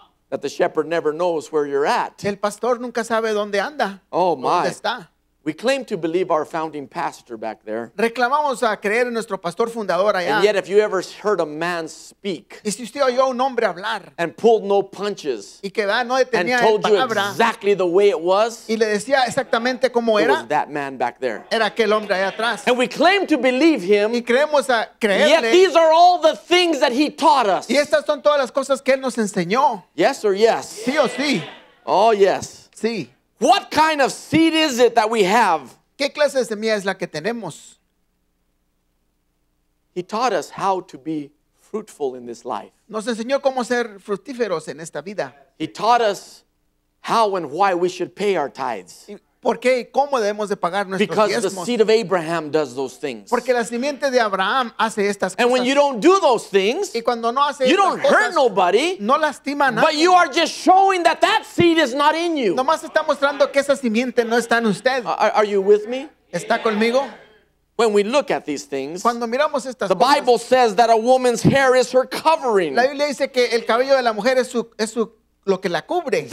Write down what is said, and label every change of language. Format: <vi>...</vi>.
<en>That the shepherd never knows where you're at.</en> <es>El pastor nunca sabe dónde anda.</es> <en>Oh my.</en> <es>¿Dónde está?</es> <en>We claim to believe our founding pastor back there.</en> <es>Reclamamos a creer en nuestro pastor fundador allá.</es> <en>And yet if you ever heard a man speak,</en> <es>y si usted oyó un hombre hablar,</es> <en>and pulled no punches,</en> <es>y que, no detenía</es> <en>and told</en> <es>palabra,</es> <en>you exactly the way it was,</en> <es>y le decía exactamente cómo era,</es> <en>it was that man back there.</en> <es>Era aquel hombre allá atrás.</es> <en>And we claim to believe him,</en> <es>y creemos a creerle,</es> <en>yet these are all the things that he taught us.</en> <es>Y estas son todas las cosas que él nos enseñó.</es> <en>Yes or yes?</en> <es>Sí o sí.</es> <en>Oh yes.</en> <es>Sí.</es> <en>What kind of seed is it that we have?</en> <es>¿Qué clase de semilla es la que tenemos?</es> <en>He taught us how to be fruitful in this life.</en> <es>Nos enseñó cómo ser fructíferos en esta vida.</es> <en>He taught us how and why we should pay our tithes.</en> <es>¿Por qué y cómo debemos de pagar nuestros</es> <en>because</en> <es>diezmos?</es> <en>Because the seed of Abraham does those things.</en> <es>Porque la simiente de Abraham hace estas cosas.</es> <en>And when you don't do those things,</en> <es>y cuando no hace</es> <en>you don't</en> <es>cosas,</es> <en>hurt nobody.</en> <es>No lastima a nadie.</es> <en>But you are just showing that that seed is not in you.</en> <es>Nomás está mostrando que esa simiente no está en usted.</es> <en>Are you with me?</en> <es>¿Está conmigo?</es> <en>When we look at these things,</en> <es>cuando miramos estas</es> <en>the</en> <es>cosas,</es> <en>Bible says that a woman's hair is her covering.</en> <es>La Biblia dice que el cabello de la mujer es su lo que la cubre.</es>